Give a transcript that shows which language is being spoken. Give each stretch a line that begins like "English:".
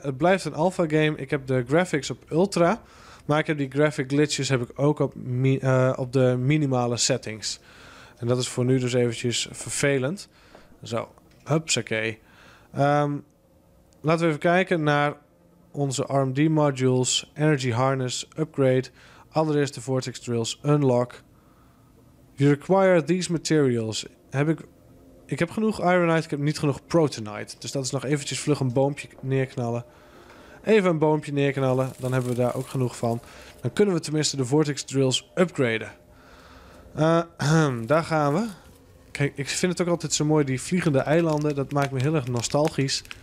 Dutch: Het blijft een alpha game. Ik heb de graphics op ultra. Maar ik heb die graphic glitches heb ik ook op de minimale settings. En dat is voor nu dus eventjes vervelend. Zo, hupsakee. Laten we even kijken naar onze RMD modules. Energy harness, upgrade. Allereerst de vortex drills, unlock.
English: You require these materials.
Dutch: Ik heb genoeg ironite, ik heb niet genoeg protonite. Dus dat is nog eventjes vlug een boompje neerknallen. Even een boompje neerknallen, dan hebben we daar ook genoeg van. Dan kunnen we tenminste de vortex drills upgraden. Daar gaan we. Kijk, ik vind het ook altijd zo mooi, die vliegende eilanden. Dat maakt me heel erg nostalgisch.